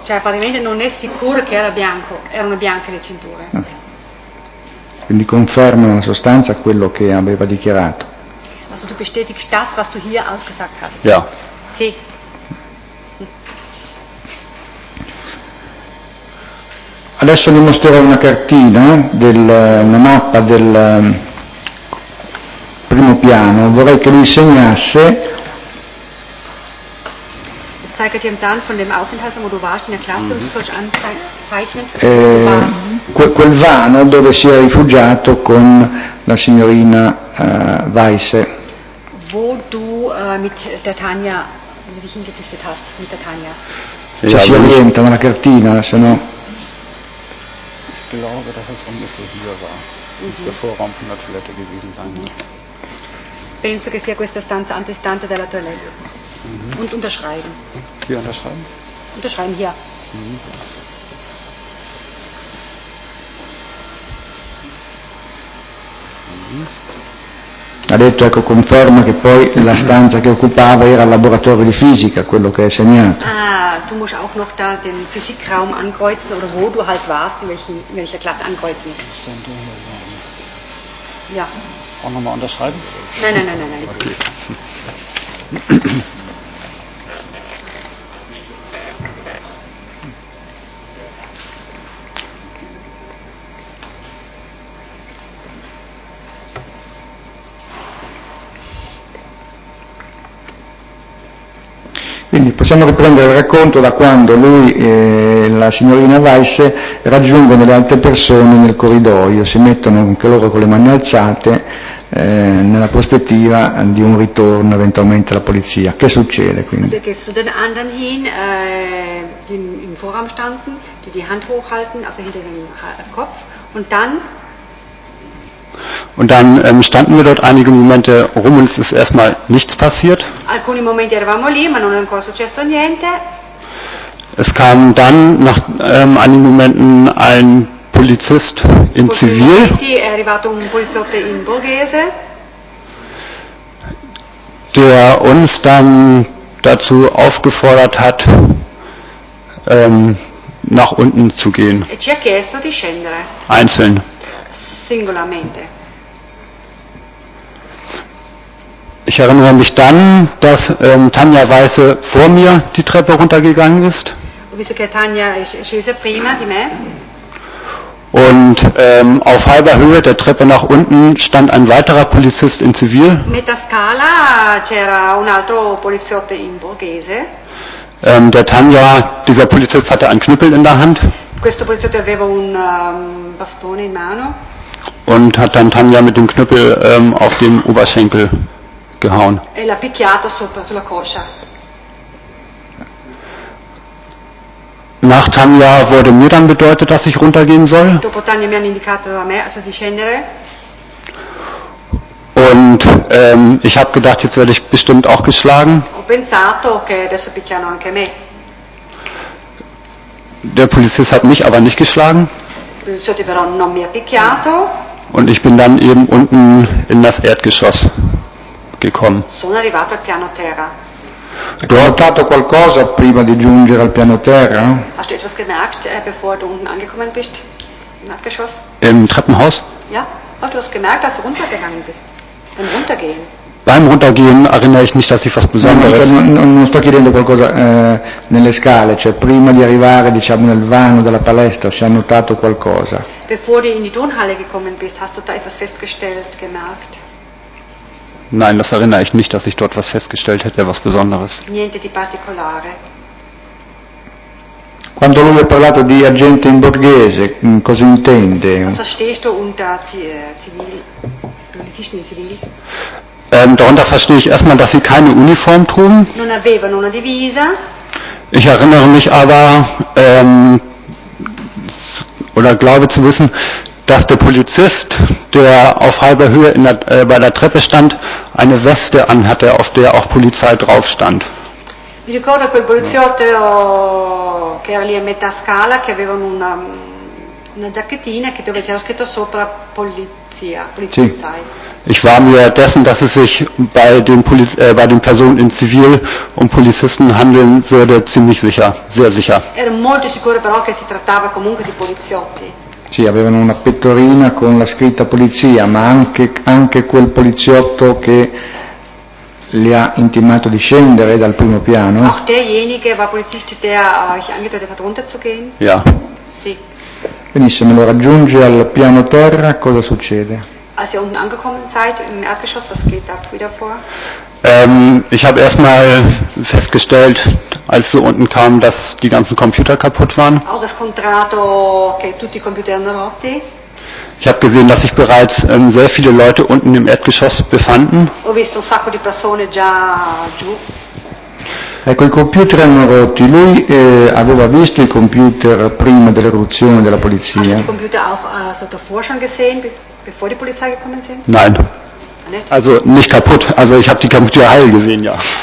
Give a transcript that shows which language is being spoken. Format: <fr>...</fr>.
<it>Cioè, praticamente non è sicuro che era bianco. Erano bianche le cinture. Quindi conferma in sostanza quello che aveva dichiarato.</it> <de>Also du bestätigst das, was du hier ausgesagt hast. Ja.</de> <it>Sì. Adesso vi mostrerò una cartina, una mappa del primo piano. Vorrei che mi insegnasse.</it> <de>Zeige dir einen Plan von dem Aufenthalt, wo du warst in der Klasse, und du sollst anzeichnen, wo du warst.</de> <it>Quel vano dove si è rifugiato con la signorina Weisse.</it> <de>Wo du mit der Tanja, wenn du dich hingeflüchtet hast, mit der Tanja.</de> <it>Ja, si orienta nella cartina, se no.</it> <de>Ich glaube, dass es ungefähr hier war. Muss der Vorraum von der Toilette gewesen sein.</de> <it>Penso che sia questa stanza antistante della toilette.</it> <de>Und unterschreiben. Hier unterschreiben? Unterschreiben hier.</de> <it>Ha detto, ecco, conferma che poi la stanza che occupava era il laboratorio di fisica, quello che è segnato.</it> <de>Ah, tu musst auch noch da den Physikraum ankreuzen oder wo du halt warst, in welcher Klasse ankreuzen. Ja. Auch nochmal unterschreiben? Nein. Okay.</de> <it>Quindi possiamo riprendere il racconto da quando lui e la signorina Weiss raggiungono le altre persone nel corridoio, si mettono anche loro con le mani alzate nella prospettiva di un ritorno eventualmente alla polizia. Che succede quindi?</it> <de>Also gehst du den anderen hin, die im Vorraum standen, die Hand hochhalten, also hinter dem Kopf, und dann? Und dann standen wir dort einige Momente rum und es ist erstmal nichts passiert.</de> <it>Alcuni momenti eravamo lì, ma non è ancora successo niente.</it> <de>Es kam dann nach einigen Momenten ein Polizist in Zivil.</de> <it>È arrivato un poliziotto in borghese.</it> <de>Der uns dann dazu aufgefordert hat, nach unten zu gehen.</de> <it>E ci ha chiesto di scendere.</it> <de>Einzeln.</de> <it>Singolarmente.</it> <de>Ich erinnere mich dann, dass Tanja Weiße vor mir die Treppe runtergegangen ist.</de> <it>Ho visto che Tanja scese prima di me.</it> <de>Und auf halber Höhe der Treppe nach unten stand ein weiterer Polizist in Zivil.</de> <it>Metà scala c'era un altro poliziotto in borghese.</it> <de>Der Tanja, dieser Polizist hatte einen Knüppel in der Hand.</de> <it>Questo poliziotto aveva un bastone in mano.</it> <de>Und hat dann Tanja mit dem Knüppel auf den Oberschenkel gehauen.</de> <it>E l'ha picchiato sopra, sulla coscia.</it> <de>Nach Tanja wurde mir dann bedeutet, dass ich runtergehen soll.</de> <it>Dopo Tanja mi hanno indicato a me, also di scendere.</it> <de>Und ich habe gedacht, jetzt werde ich bestimmt auch geschlagen.</de> <it>Ho pensato che adesso picchiano anche me.</it> <de>Der Polizist hat mich aber nicht geschlagen.</de> <it>Sotto però non mi ha picchiato.</it> <de>Und ich bin dann eben unten in das Erdgeschoss gekommen.</de> <it>Sono arrivato al piano terra.</it> <de>Du hast</de> <it>notato qualcosa prima di giungere al piano terra?</it> <de>Hast du etwas gemerkt, bevor du unten angekommen bist? Im Erdgeschoss? Im Treppenhaus? Ja. Hast du was gemerkt, dass du runtergegangen bist? Beim Runtergehen? Beim Runtergehen erinnere ich nicht, dass ich was Besonderes.</de> <it>Non sto chiedendo qualcosa nelle scale, cioè prima di arrivare, diciamo, nel vano della palestra, si è notato qualcosa.</it> <de>Bevor du in die Turnhalle gekommen bist, hast du da etwas festgestellt, gemerkt? Nein, das erinnere ich nicht, dass ich dort was festgestellt hätte, was Besonderes.</de> <it>Niente di particolare. Quando lui ha parlato di agente in borghese, cosa intende?</it> <de>Was verstehst du unter zivil, politischen Zivil? Darunter verstehe ich erstmal, dass sie keine Uniform trugen.</de> <it>Non avevano una divisa.</it> <de>Ich erinnere mich aber, oder glaube zu wissen, dass der Polizist, der auf halber Höhe in der, bei der Treppe stand, eine Weste anhatte, auf der auch Polizei drauf stand.</de> <it>Mi ricordo quel poliziotto che era lì a metà scala, che aveva una giacchettina, che dove c'era scritto sopra polizia, polizia. Sì.</it> <de>Ich war mir dessen, dass es sich bei den, bei den Personen in Zivil um Polizisten handeln würde, ziemlich sicher, sehr sicher.</de> <it>Ero molto sicuro però che si trattava comunque di poliziotti. Sì, avevano una pettorina con la scritta polizia, ma anche quel poliziotto che li ha intimato di scendere dal primo piano.</it> <de>Auch derjenige war Polizist, der euch angedeutet hat, runterzugehen. Ja.</de> <it>Sì. Benissimo, lo raggiunge al piano terra, cosa succede?</it> <de>Als ihr unten angekommen seid im Erdgeschoss, was geht da wieder vor? Ich habe erstmal festgestellt, als wir unten kamen, dass die ganzen Computer kaputt waren. Auch das</de> <it>Contrato, che tutti i computer erano rotti.</it> <de>Ich habe gesehen, dass sich bereits sehr viele Leute unten im Erdgeschoss befanden.</de> <it>Ho visto un sacco di persone già giù. Ecco, i computer erano rotti. Lui aveva visto i computer prima dell'eruzione della polizia.</it> <de>Hast du Computer auch</de> <it>sotto</it> <de>vor schon gesehen, bevor die Polizei gekommen sind? Nein. Nicht? Also nicht kaputt. Also ich habe die Computer heil gesehen, ja.</de>